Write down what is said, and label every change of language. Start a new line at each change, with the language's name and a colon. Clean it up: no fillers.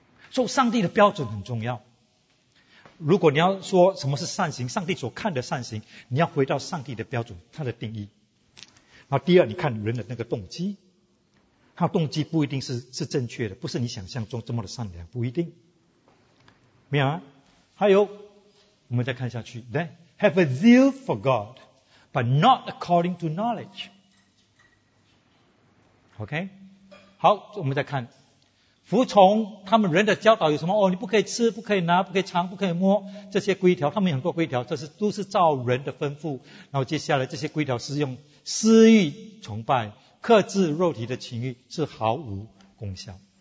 Chinese: 所以上帝的标准很重要。如果你要说什么是善行，上帝所看的善行，你要回到上帝的标准，他的定义。那第二，你看人的那个动机，他动机不一定是正确的，不是你想象中这么的善良，不一定，明白吗？还有，我们再看下去。
English: Then have a zeal for God, but not according to knowledge.
Chinese: OK, 好，我们再看，服从他们人的教导有什么？哦，你不可以吃，不可以拿，不可以尝，不可以摸，这些规条，他们有很多规条，这是都是照人的吩咐。然后接下来这些规条是用私欲崇拜，克制肉体的情欲是毫无功效。